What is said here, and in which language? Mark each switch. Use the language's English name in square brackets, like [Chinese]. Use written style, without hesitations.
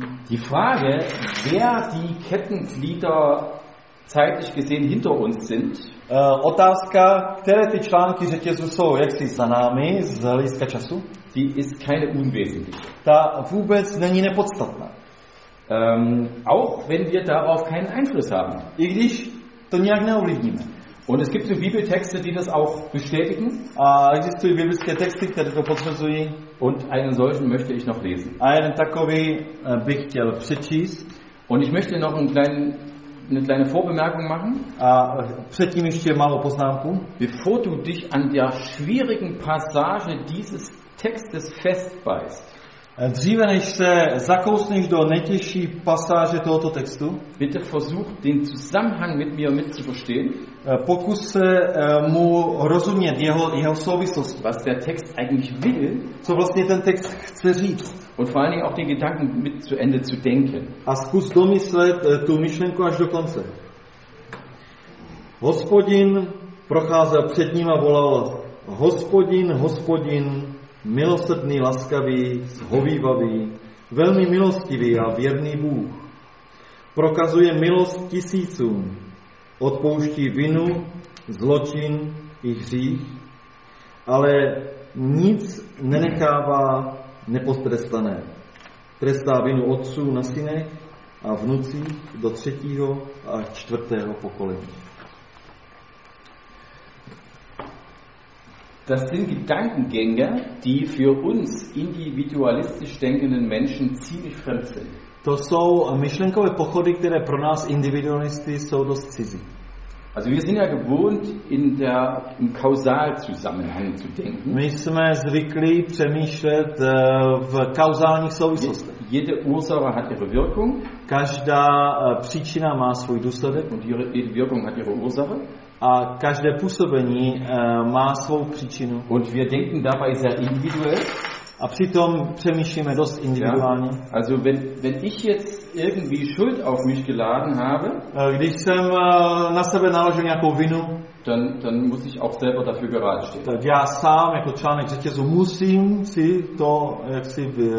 [German] Die Frage, wer die Kettenglieder zeitlich gesehen hinter uns sind. [Czech] Otázka, které ty články řetězu jsou, jak si za námi, z hlediska času? [German] Die ist keine unwesentliche. [Czech] Ta vůbec není nepodstatná. [German] Auch wenn wir darauf keinen Einfluss haben. [Czech] I když to nějak neovlivníme. [German] Und es gibt so Bibeltexte, die das auch bestätigen. [Czech] A existují biblické texty, které to potvrzují. [German] Und einen solchen möchte ich noch lesen. [Czech] A jeden takový bych chtěl přečíst. [German] Und ich möchte noch eine kleine Vorbemerkung machen. [Czech] Předtím ještě malou poznámku. [German] Bevor du dich an der schwierigen Passage dieses Textes festbeißt. [Czech] Dříve než se zakousneš do nejtěžší pasáže tohoto textu. [German] Bitte versuch den Zusammenhang mit mir mitzuverstehen. [Czech] Pokus se mu rozumět jeho souvislost. [German] Was der Text eigentlich will. [Czech] Co vlastně ten text chce říct. [German] Und vor allen Dingen auch den Gedanken mit zu Ende zu denken. [Czech] A zkus domyslet tu myšlenku až do konce. Hospodin procházel před ním a volal: Hospodin, Hospodin, milosrdný, laskavý, shovívavý, velmi milostivý a věrný Bůh. Prokazuje milost tisícům, odpouští vinu, zločin i hřích, ale nic nenechává nepotrestané. Trestá vinu otců na synech a vnucích do třetího a čtvrtého pokolení. [German] Das sind Gedankengänge, die für uns individualistisch denkenden Menschen ziemlich fremd sind. [Czech] To jsou myšlenkové pochody, které pro nás individualisty jsou dost cizí. [German] Also wir sind ja gewohnt im Kausalzusammenhang zu denken. [Czech] My jsme zvyklí přemýšlet v kauzálních souvislostech. [German] Jede Ursache hat ihre Wirkung. [Czech] Každá příčina má svůj důsledek. [German] Und jede Wirkung hat ihre Ursache. [Czech] A každé působení má svou příčinu. [German] Und wir denken dabei sehr individuell. [Czech] A přitom přemýšlíme dost individuálně. [German] Ja, also wenn ich jetzt irgendwie Schuld auf mich geladen habe, [Czech] když jsem na sebe naložil nějakou vinu, [German] dann muss ich auch selber dafür gerade stehen. [Czech] Tak já sám jako článek řetězu musím si to jaksi